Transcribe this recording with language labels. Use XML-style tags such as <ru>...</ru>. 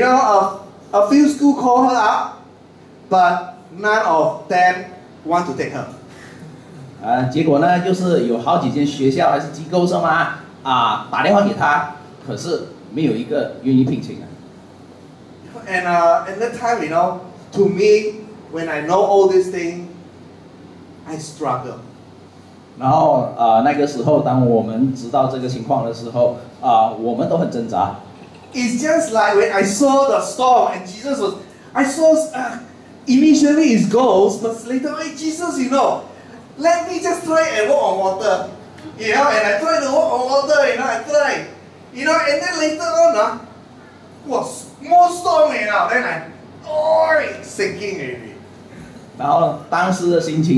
<en>know, a few school call her up, but none of them want to take her.</en> <zh>结果呢，就是有好几间学校还是机构是吗打电话给他，可是没有一个愿意聘请的。</zh> <en>And that time, you know, to me, when I know all these things, I struggle.</en> <zh>然后那个时候，当我们知道这个情况的时候，我们都很挣扎。</zh> <en>It's just like when I saw the storm and Jesus was, I saw, initially it's ghost, but later, hey, Jesus, you know, let me just try and walk on water. You know, and I tried to walk on water, you know, I tried. You know, and then later on, was more stormy now, then sinking already.</en>